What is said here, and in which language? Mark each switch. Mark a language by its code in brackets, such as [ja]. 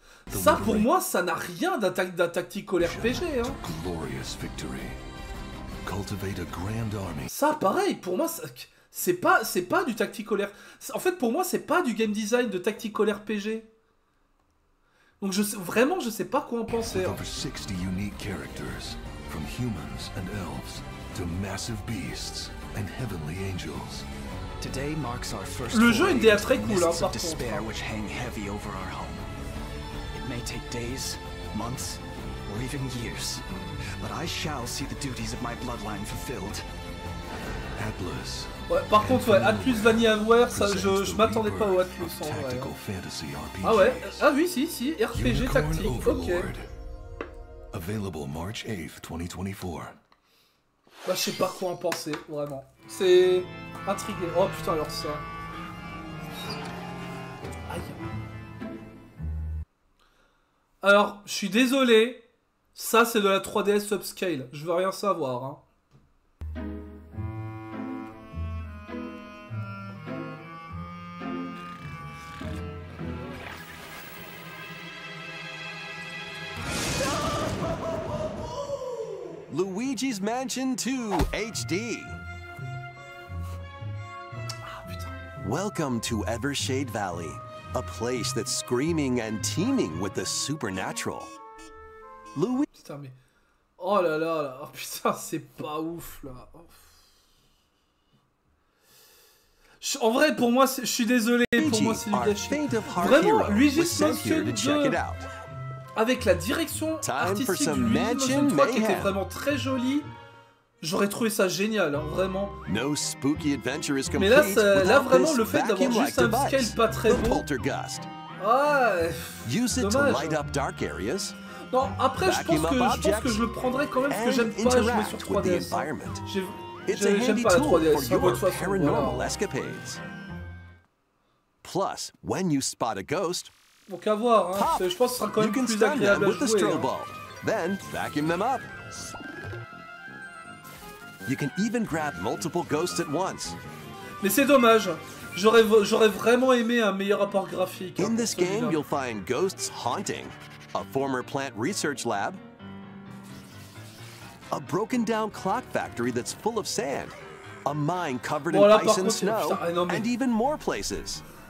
[fr] Ça pour moi, ça n'a rien d'un tactical RPG. Hein. Ça pareil, pour moi, ça. C'est pas du tactical RPG. En fait, pour moi, c'est pas du game design de tactical RPG. Donc, je sais pas quoi en penser. [en] Over 60 unique characters, from humans and elves to massive beasts and heavenly angels. Today marks our first. [fr] Le jeu a une DA très cool, hein, par [en] despair which hang heavy over our home. It may take days, months, or even years, but I shall see the duties of my bloodline fulfilled. Atlas. [fr] Ouais, par contre, ouais, Atlus Vanillaware, ça, je m'attendais pas au Atlus en vrai. Ouais. Ah ouais, ah oui, si, RPG tactique, ok. [en] Available March 8th, 2024. [fr] Bah, je sais pas quoi en penser, vraiment. C'est intrigué. Oh putain, alors ça. Aïe. Alors, je suis désolé, Ça, c'est de la 3DS upscale. Je veux rien savoir. Hein. [en] Luigi's Mansion 2 HD. Welcome to Evershade Valley, a place that's screaming and teeming with the supernatural. [fr] Putain, mais... Oh là là là, oh, putain, c'est pas ouf, là. Oh. En vrai, pour moi, c'est... je suis désolé, Luigi, pour moi, c'est du gâchis. Vraiment, Luigi's Mansion 2, avec la direction artistique du Mansion 3, qui était vraiment très jolie. J'aurais trouvé ça génial, hein, vraiment. [en] No spooky adventure is complete. [fr] Mais là, ça, là vraiment, le fait d'avoir juste un scale pas très beau. Ouais. [en] Use it to light up dark areas. [fr] Non, après, je pense que je le prendrais quand même parce que j'aime pas jouer sur 3DS. J'aime pas la 3DS, pas votre façon. [en] Paranormal escapades. Plus, when you spot a ghost. [fr] Donc à voir, hein. Je pense que ce sera quand même plus agréable à jouer. Hein. [en] Then vacuum them up. You can even grab multiple ghosts at once. [fr] Mais c'est dommage. J'aurais vraiment aimé un meilleur rapport graphique. [en] In this game, you'll find ghosts haunting a former plant research lab, a broken down clock factory that's full of sand, a mine covered in ice and snow, and even more places.